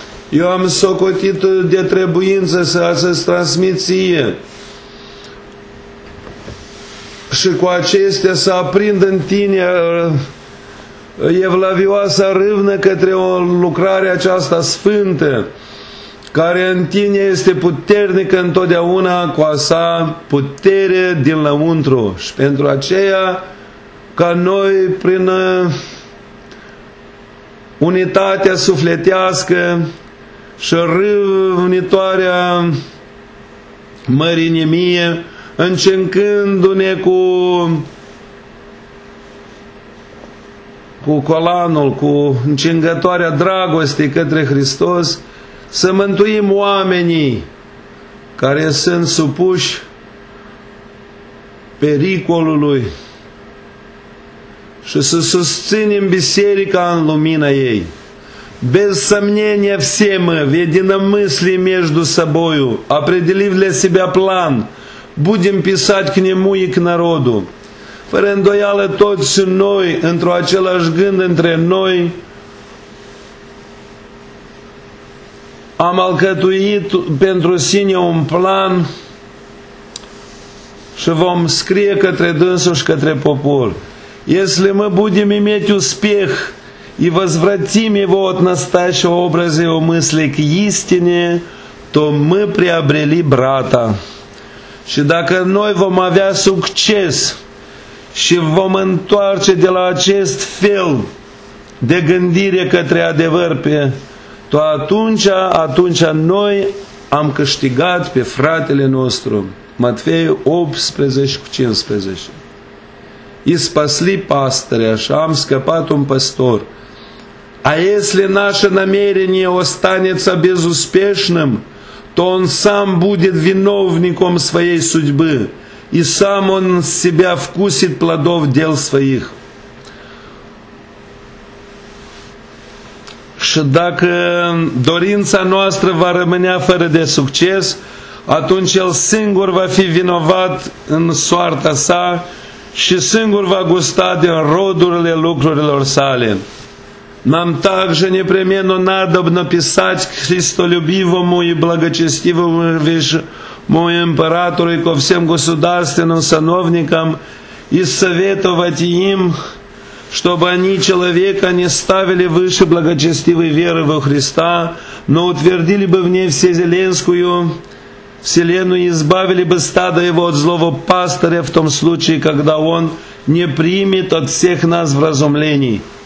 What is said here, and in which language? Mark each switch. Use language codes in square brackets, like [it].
[ro] Eu am socotit de trebuință să-ți transmit ție și cu acestea să aprind în tine evlavioasa râvnă către o lucrare aceasta sfântă, care în tine este puternică întotdeauna cu a sa putere din lăuntru. Și pentru aceea, ca noi prin unitatea sufletească și râvnitoarea mărinimie, încercându-ne cu colanul, cu încingătoarea dragostei către Hristos, să mântuim oamenii care sunt supuși pericolului și să susținem biserica în lumina ei. [ru] Без сомнения все мы в единомыслии между собою, определив для себя план, будем писать к нему и к народу. [ro] fără îndoială toți noi, într-o același gând între noi, am alcătuit pentru sine un plan și vom scrie către dânsul și către popor. [ru] Если мы будем иметь успех и возвратим его от настоящего образа его мыслей к истине, то мы приобрели брата. [ro] Și dacă noi vom avea succes și vom întoarce de la acest fel de gândire către adevăr pe, [ru] то [ro] atunci, noi am câștigat pe fratele nostru. Matfei 18:15. [ru] И спасли пастыря, [ro] шам скопат он пастор. [ru] А если наше намерение останется безуспешным, то он сам будет виновником своей судьбы, и сам он себя вкусит плодов дел своих. [ro] Și dacă dorința noastră va rămâne fără de succes, atunci el singur va fi vinovat în soarta sa și singur va gusta din rodurile lucrurilor sale. [ru] Нам также непременно надобно писать христолюбивому и благочестивому моему императору и ко всем государственным сановникам и советовать им, чтобы они человека не ставили выше благочестивой веры во Христа, но утвердили бы в ней всезеленскую вселенную и избавили бы стадо его от злого пастыря в том случае, когда он не примет от всех нас вразумлений.